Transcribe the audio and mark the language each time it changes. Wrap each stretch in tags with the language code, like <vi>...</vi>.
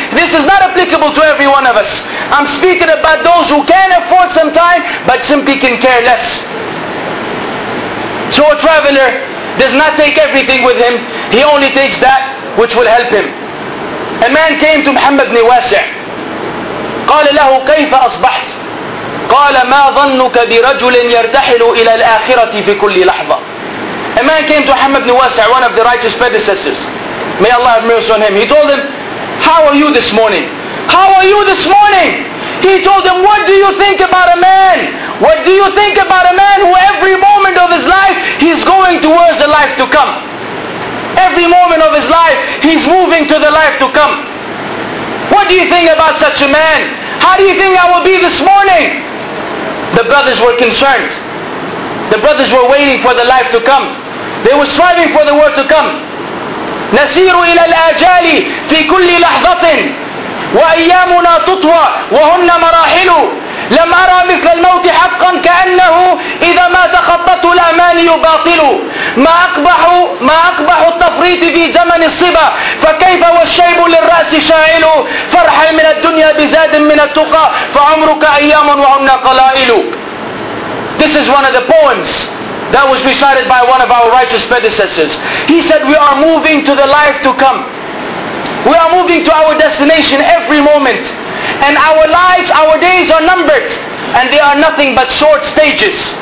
<en>This is not applicable to every one of us. I'm speaking about those who can afford some time, but simply can care less. So a traveler does not take everything with him. He only takes that which will help him. A man came to Muhammad ibn Wasi'.</en> <ar>قال له كيف أصبحت؟ قال ما ظنك برجل يرتحل إلى الآخرة في كل لحظة.</ar> <en>A man came to Muhammad ibn Wasi', one of the righteous predecessors. May Allah have mercy on him. He told him, how are you this morning? How are you this morning? He told him, what do you think about a man? What do you think about a man who every moment of his life, he's going towards the life to come. Every moment of his life, he's moving to the life to come. What do you think about such a man? How do you think I will be this morning? The brothers were concerned. The brothers were waiting for the life to come. They were striving for the world to come.</en> <ar>نسير إلى الآجال في كل لحظة وأيامنا تطوى وهن مراحل لم أرى مثل الموت حقا كأنه إذا ما تخطت الأمان يباطل ما أقبح التفريط في زمن الصبا فكيف والشيب للرأس شاعل فرح من الدنيا بزاد من التقى فعمرك أيام وهن قلائل.</ar> <en>This is one of the poems that was recited by one of our righteous predecessors. He said, we are moving to the life to come. We are moving to our destination every moment. And our lives, our days are numbered. And they are nothing but short stages.</en>